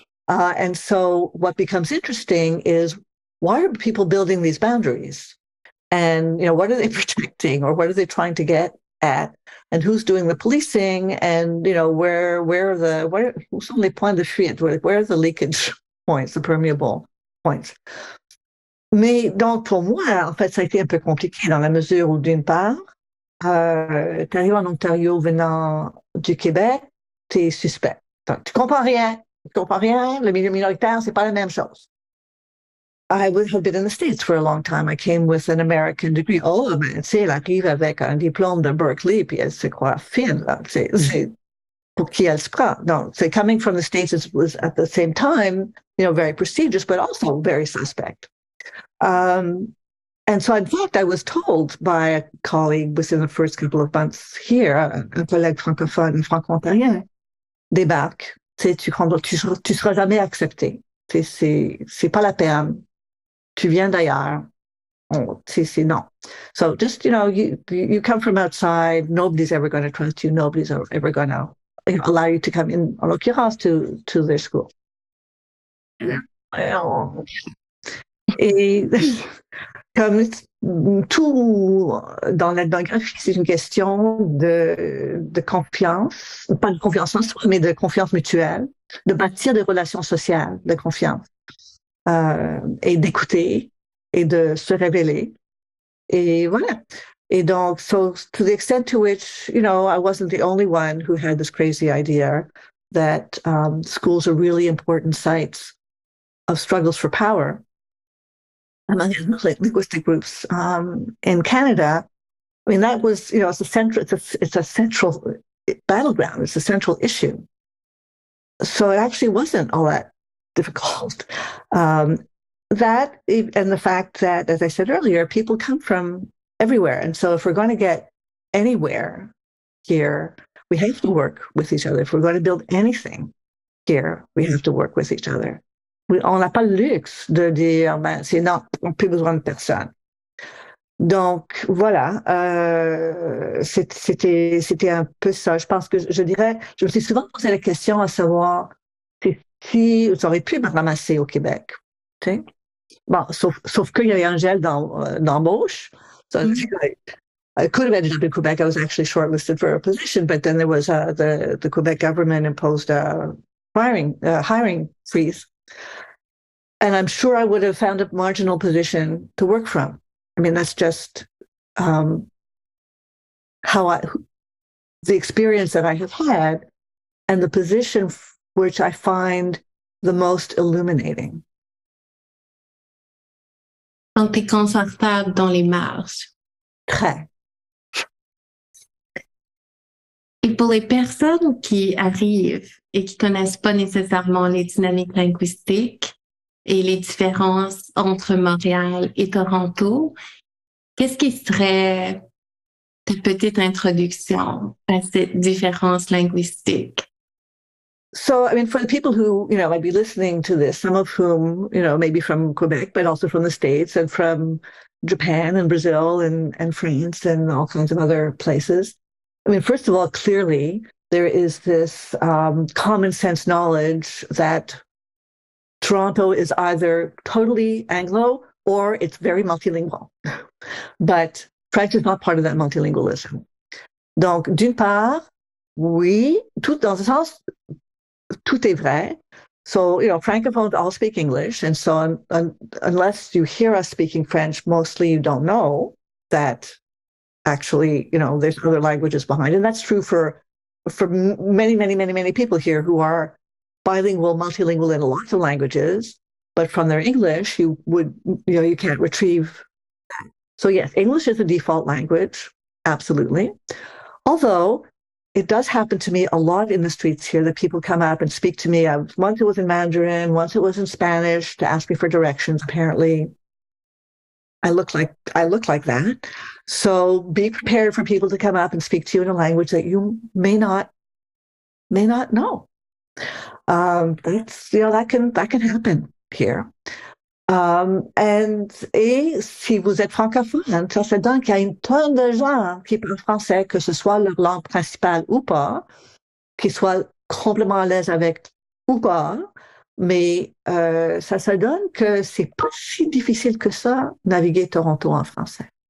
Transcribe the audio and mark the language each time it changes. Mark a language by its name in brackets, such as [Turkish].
[English] And so what becomes interesting is, why are people building these boundaries? And, you know, what are they protecting, or what are they trying to get at? And who's doing the policing? And, you know, where are the [French] points de fuite? [English] Where are the leakage points, the permeable points? [French] Mais donc, pour moi, en fait, ça a été un peu compliqué dans la mesure où, d'une part, tu arrives en Ontario venant du Québec, tu es suspect. Donc, tu comprends rien. Tu comprends rien. Le milieu minoritaire, c'est pas la même chose. [English] I would have been in the States for a long time. I came with an American degree. [French] Oh, mais tu sais, elle arrive avec un diplôme de Berkeley, puis elle se croit fine, là. C'est pour qui elle se prend. Donc, c'est [English] coming from the States was at the same time, you know, very prestigious, but also very suspect. And so, in fact, I was told by a colleague within the first couple of months here, [French] un collègue francophone, franco-ontarien, débarque. Tu seras jamais accepté. C'est pas la peine. Tu viens d'ailleurs. Oh, c'est non. [English] So just, you know, you come from outside. Nobody's ever going to trust you. Nobody's ever going to, you know, allow you to come in, [French] en l'occurrence, [English] to their school. [French] Et comme tout dans l'ethnographie, c'est une question de confiance, pas de confiance en soi, mais de confiance mutuelle, de bâtir des relations sociales de confiance, et d'écouter et de se révéler. Et voilà. Et donc, [English] so to the extent to which, you know, I wasn't the only one who had this crazy idea that schools are really important sites of struggles for power. Among linguistic groups in Canada, I mean, that was, you know, it's a central battleground. It's a central issue. So it actually wasn't all that difficult. That and the fact that, as I said earlier, people come from everywhere. And so if we're going to get anywhere here, we have to work with each other. If we're going to build anything here, we have to work with each other. [French] On n'a pas le luxe de dire, ben, c'est non, on n'a plus besoin de personne. Donc, voilà, c'était un peu ça. Je pense que je dirais, je me suis souvent posé la question à savoir si j'aurais pu me ramasser au Québec. Tu sais? Bon, sauf qu'il y avait un gel d'embauche. [English] So, I could have ended up in Quebec. I was actually shortlisted for a position, but then there was the Quebec government imposed a hiring freeze. And I'm sure I would have found a marginal position to work from. I mean, that's just the experience that I have had and the position which I find the most illuminating. [French] Donc, t'es confortable dans les marges. Très. Et pour les personnes qui arrivent et qui connaissent pas nécessairement les dynamiques linguistiques et les différences entre Montréal et Toronto, qu'est-ce qui serait ta petite introduction à cette différence linguistique? [English] So, I mean, for the people who, you know, might be listening to this, some of whom, you know, maybe from Quebec, but also from the States and from Japan and Brazil and France and all kinds of other places. I mean, first of all, clearly, there is this common sense knowledge that Toronto is either totally Anglo or it's very multilingual. But French is not part of that multilingualism. [French] Donc, d'une part, oui, tout dans le sens, tout est vrai. [English] So, you know, Francophones all speak English. And so unless you hear us speaking French, mostly you don't know that actually, you know, there's other languages behind. And that's true for many, many, many, many people here who are bilingual, multilingual in lots of languages, but from their English, you would, you know, you can't retrieve that. So yes, English is a default language, absolutely. Although it does happen to me a lot in the streets here that people come up and speak to me. Once it was in Mandarin, once it was in Spanish to ask me for directions. Apparently, I look like that. So be prepared for people to come up and speak to you in a language that you may not know. That's, you know, that can happen here. [French] And et si vous êtes francophone, ça c'est donc qu'il y a une tonne de gens qui parlent français, que ce soit leur langue principale ou pas, qui soient complètement à l'aise avec ou pas, mais ça se donne que c'est pas si difficile que ça naviguer Toronto en français.